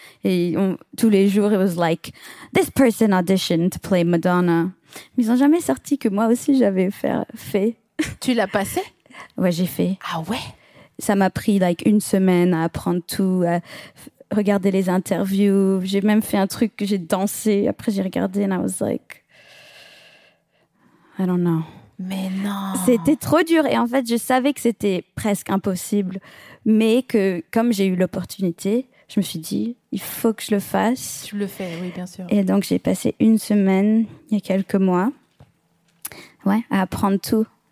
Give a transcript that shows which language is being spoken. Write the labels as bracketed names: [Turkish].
[French] Et tous les jours, [English] it was like, this person auditioned to play Madonna. [French] Mais ils ont jamais sorti que moi aussi j'avais fait. Tu l'as passé? Ouais, j'ai fait. Ah ouais? Ça m'a pris like une semaine à apprendre tout, à regarder les interviews. J'ai même fait un truc que j'ai dansé. Après, j'ai regardé [English] and I was like, I don't know. [French] Mais non. C'était trop dur. Et en fait, je savais que c'était presque impossible. Mais que comme j'ai eu l'opportunité, je me suis dit, il faut que je le fasse. Tu le fais, oui, bien sûr. Et donc, j'ai passé une semaine, il y a quelques mois, ouais, à apprendre tout.